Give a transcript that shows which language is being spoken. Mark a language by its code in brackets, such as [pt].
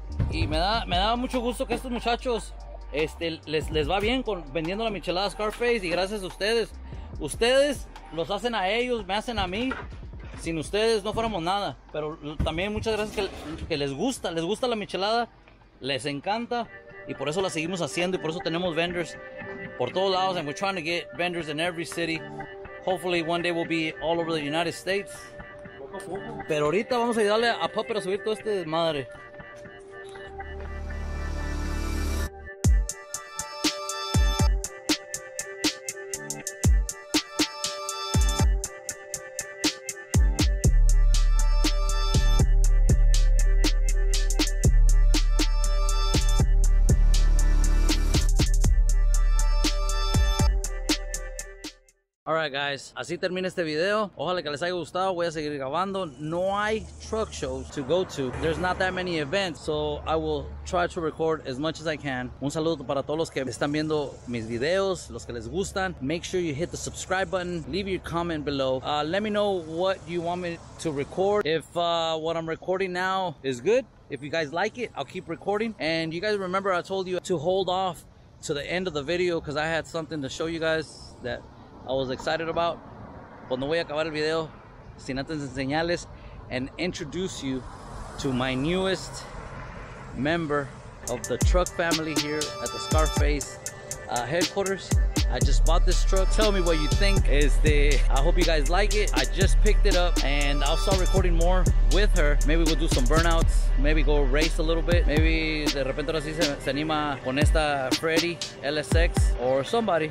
[es] Y me da mucho gusto que estos muchachos les va bien con vendiendo la michelada Scarface. Y gracias a ustedes. Ustedes los hacen a ellos, me hacen a mí. Sin ustedes no fuéramos nada. Pero también muchas gracias que les gusta la michelada. Les encanta. Y por eso la seguimos haciendo y por eso tenemos vendors por todos lados. [en] And we're trying to get vendors in every city. Hopefully one day we'll be all over the United States. [es] Pero ahorita vamos a ayudarle a Puppet a subir todo este desmadre. [en] All right, guys. [es] Así termina este video. Ojalá que les haya gustado. Voy a seguir grabando. No hay [en] truck shows to go to. There's not that many events, so I will try to record as much as I can. [es] Un saludo para todos los que están viendo mis videos, los que les gustan. [en] Make sure you hit the subscribe button. Leave your comment below. Let me know what you want me to record. If what I'm recording now is good, if you guys like it, I'll keep recording. And you guys remember I told you to hold off to the end of the video because I had something to show you guys that I was excited about. [es] Pues no voy a acabar el video sin antes enseñarles [en] and introduce you to my newest member of the truck family here at the Scarface headquarters. I just bought this truck. Tell me what you think. I hope you guys like it. I just picked it up and I'll start recording more with her. Maybe we'll do some burnouts. Maybe go race a little bit. [es] Maybe de repente ahora sí se anima con esta Freddy LSX [en] or somebody.